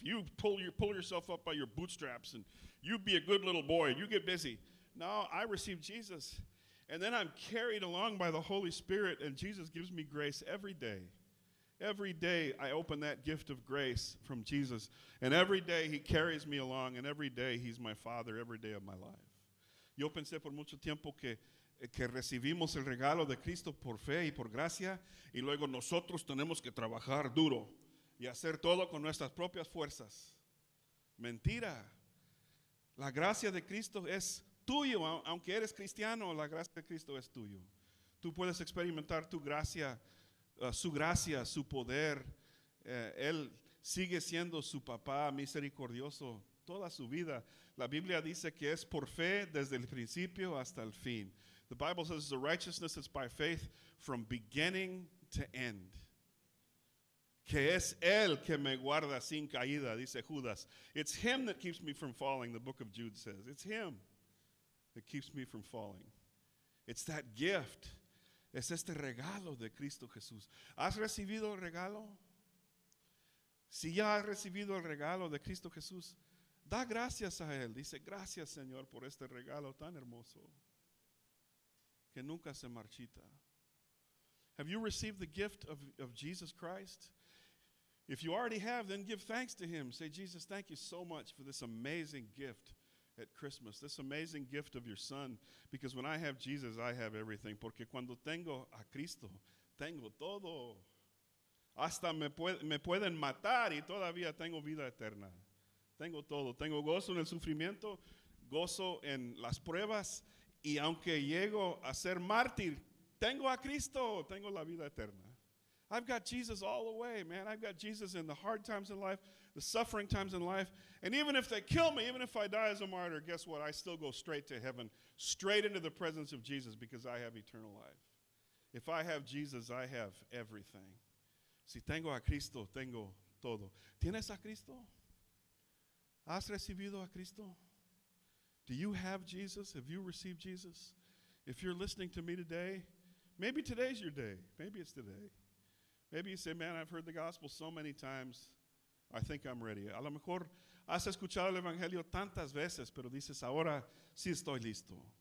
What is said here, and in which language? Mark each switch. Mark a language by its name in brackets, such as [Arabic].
[English] You pull yourself up by your bootstraps and you be a good little boy. You get busy. No, I received Jesus. And then I'm carried along by the Holy Spirit, and Jesus gives me grace every day. Every day I open that gift of grace from Jesus, and every day he carries me along, and every day he's my Father, every day of my life. [Spanish] Yo pensé por mucho tiempo que recibimos el regalo de Cristo por fe y por gracia, y luego nosotros tenemos que trabajar duro y hacer todo con nuestras propias fuerzas. Mentira. La gracia de Cristo es tuyo, aunque eres cristiano, la gracia de Cristo es tuyo. Tú puedes experimentar tu gracia, su gracia, su poder. Él sigue siendo su papá misericordioso toda su vida. La Biblia dice que es por fe desde el principio hasta el fin. [English] The Bible says the righteousness is by faith from beginning to end. [Spanish] Que es él que me guarda sin caída, dice Judas. [English] It's him that keeps me from falling, the book of Jude says. It's him that keeps me from falling. It's that gift. [Spanish] Es este regalo de Cristo Jesús. ¿Has recibido el regalo? Si ya has recibido el regalo de Cristo Jesús, da gracias a él. Dice, gracias, Señor, por este regalo tan hermoso que nunca se marchita. [English] Have you received the gift of Jesus Christ? If you already have, then give thanks to him. Say, Jesus, thank you so much for this amazing gift at Christmas, this amazing gift of your son. Because when I have Jesus, I have everything. [Spanish] Porque cuando tengo a Cristo, tengo todo. Hasta me pueden matar y todavía tengo vida eterna. Tengo todo. Tengo gozo en el sufrimiento, gozo en las pruebas. Y aunque llego a ser mártir, tengo a Cristo, tengo la vida eterna. [English] I've got Jesus all the way, man. I've got Jesus in the hard times in life, the suffering times in life. And even if they kill me, even if I die as a martyr, guess what? I still go straight to heaven, straight into the presence of Jesus because I have eternal life. If I have Jesus, I have everything. [Spanish] Si tengo a Cristo, tengo todo. ¿Tienes a Cristo? ¿Has recibido a Cristo? [English] Do you have Jesus? Have you received Jesus? If you're listening to me today, maybe today's your day. Maybe it's today. Maybe you say, man, I've heard the gospel so many times, I think I'm ready. [Spanish] A lo mejor has escuchado el evangelio tantas veces, pero dices, ahora sí estoy listo.